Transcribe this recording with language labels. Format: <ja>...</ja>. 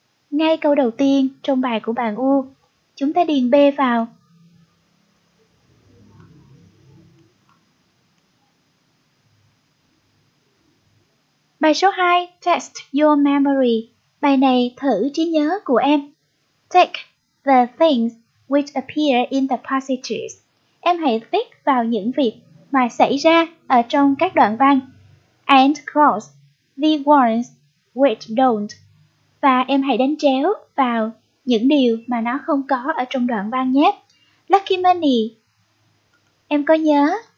<vi>Ngay câu đầu tiên trong bài của bạn U, chúng ta điền B vào. Bài số 2,</vi> <en>Test Your Memory.</en> <vi>Bài này thử trí nhớ của em.</vi> <en>Take the things which appear in the passages.</en> <vi>Em hãy viết vào những việc mà xảy ra ở trong các đoạn văn.</vi> <en>And cross the ones which don't.</en> <vi>Và em hãy đánh chéo vào những điều mà nó không có ở trong đoạn văn nhé. Lucky money. Em có nhớ?</vi>